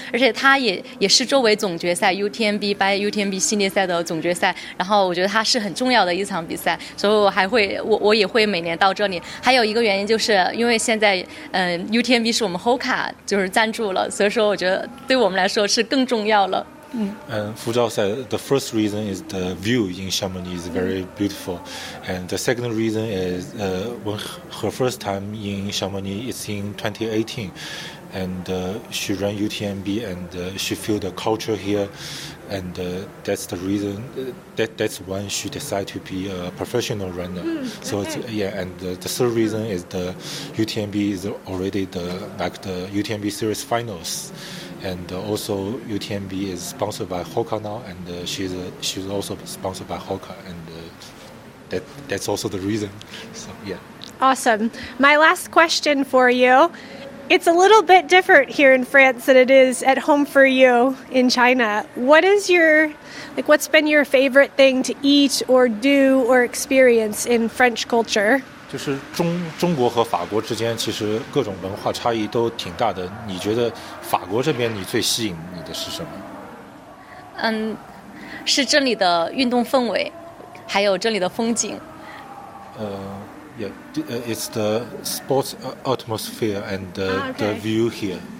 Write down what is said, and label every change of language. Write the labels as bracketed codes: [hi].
[zh] 而且它也是作为总决赛 UTMB by UTMB 系列赛的总决赛，然后我觉得它是很重要的一场比赛，所以我也会每年到这里。还有一个原因就是因为现在UTMB 是我们 Hoka 就是赞助了，所以说我觉得对我们来说是更重要了。 [en] And Fu-Zhao said the first reason is the view in Chamonix is very beautiful. And the second reason is when her first time in Chamonix is in 2018. And she ran UTMB and she feel the culture here. And that's the reason, that's when she decided to be a professional runner. So the third reason is the UTMB is already the UTMB series finals. And also UTMB is sponsored by Hoka now, and she's also sponsored by Hoka, and that's also the reason. So, yeah. Awesome. My last question for you. It's a little bit different here in France than it is at home for you in China. What is what's been your favorite thing to eat or do or experience in French culture? [zh] 就是中国和法国之间其实各种文化差异都挺大的，你觉得法国这边你最吸引你的是什么？嗯，是这里的运动氛围还有这里的风景。 [en] It's the sports atmosphere and the view here.